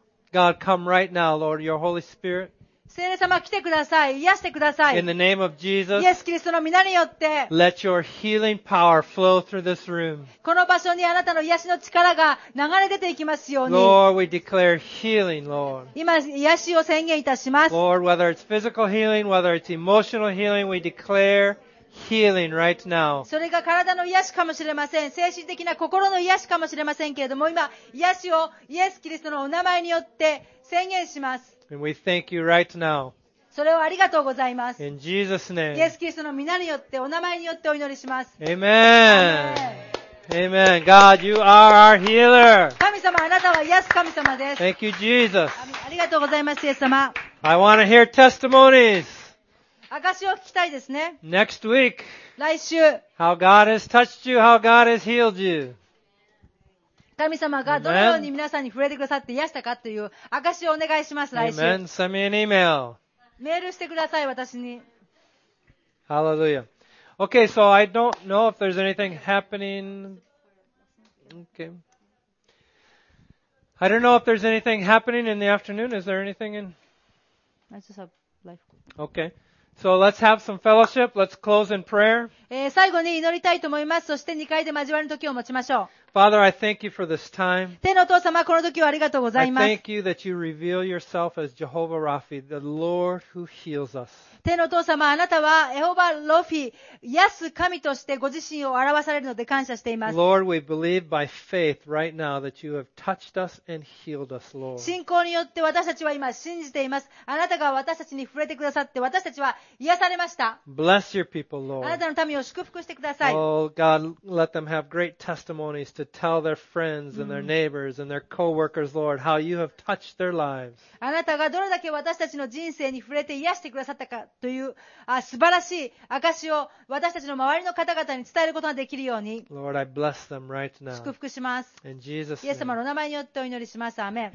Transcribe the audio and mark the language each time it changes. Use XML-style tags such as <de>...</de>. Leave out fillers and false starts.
<en>God, come right now, Lord, your Holy Spirit. In the name of Jesus, let your healing power flow through this room. Lord, we declare healing, Lord. Lord, whether it's physical healing, whether it's emotional healing, we declare healing right now.</en> <ja>それが体の癒しかもしれません。精神的な心の癒しかもしれませんけれども、今、癒しをイエス・キリストのお名前によって宣言します。</ja> <en>And we thank you right now.</en> <ja>それをありがとうございます。</ja> <en>In Jesus' name.</en> <ja>イエス・キリストの皆によって、お名前によってお祈りします。</ja> <en>Amen. Amen. God, you are our healer.</en> <ja>神様、あなたは癒す神様です。</ja> <en>Thank you, Jesus.</en> <ja>ありがとうございます、イエス様。</ja> <en>I want to hear testimonies.</en> <ja>証を聞きたいですね。</ja> <en>Next week.</en> <ja>来週。</ja> <en>How God has touched you, how God has healed you.</en> <ja>神様がどのように皆さんに触れてくださって癒したかという証をお願いします、来週。</ja> <en>Amen. Send me an email.</en> <ja>メールしてください、私に。</ja> <en>Hallelujah. Okay, so I don't know if there's anything happening. Okay. I don't know if there's anything happening in the afternoon. Is there anything in? I just have life. Okay. So let's have some fellowship. Let's close in prayer.</en> <ja>最後に祈りたいと思います。そして2階で交わる時を持ちましょう。</ja> <en>Father, I thank you for this time.</en> <ja>天のお父様、この時をありがとうございます。</ja> <en>I thank you that you reveal yourself as Jehovah Rapha, the Lord who heals us.</en> <ja>天のお父様、あなたはエホバロフィ、癒す神としてご自身を表されるので感謝しています。</ja> <en>Lord, we believe by faith right now that you have touched us and healed us, Lord.</en> <ja>信仰によって私たちは今信じています。あなたが私たちに触れてくださって私たちは癒されました。</ja> <en>Bless your people, Lord.</en> <ja>あなたの民を祝福してください。</ja> <en>Oh, God, let them have great testimonies to tell their friends and their neighbors and their co-workers, Lord, how you have touched their lives.</en> <ja>あなたがどれだけ私たちの人生に触れて癒してくださったかという素晴らしい証を私たちの周りの方々に伝えることができるように。</ja> <en>Lord, I bless them right now.</en> <ja>祝福します。</ja> <en>In Jesus' name.</en> <ja>イエス様の名前によってお祈りします。アメン。</ja>